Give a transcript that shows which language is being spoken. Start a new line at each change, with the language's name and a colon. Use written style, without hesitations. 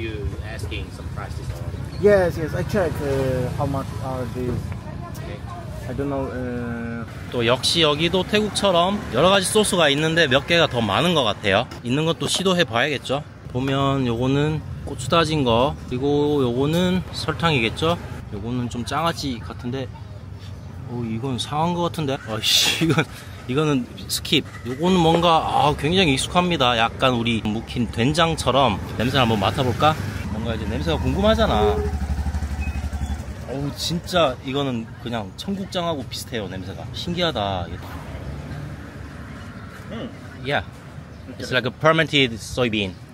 English: Since I saw you asking some prices. Yes, yes. I check how much are these. Okay. I don't know.
Korean: 또 역시 여기도 태국처럼 여러 가지 소스가 있는데 몇 개가 더 많은 것 같아요. 있는 것도 시도해 봐야겠죠. 보면 요거는 고추 다진 거, 그리고 요거는 설탕이겠죠. 요거는 좀 장아찌 같은데. 오, 이건 상한 것 같은데. 아이씨, 이거는 스킵. 요거는 뭔가 굉장히 익숙합니다. 약간 우리 묵힌 된장처럼. 냄새를 한번 맡아볼까? 뭔가 이제 냄새가 궁금하잖아. 어우, 진짜 이거는 그냥 청국장하고 비슷해요, 냄새가. 신기하다.
English: Yeah. It's like a fermented soybean.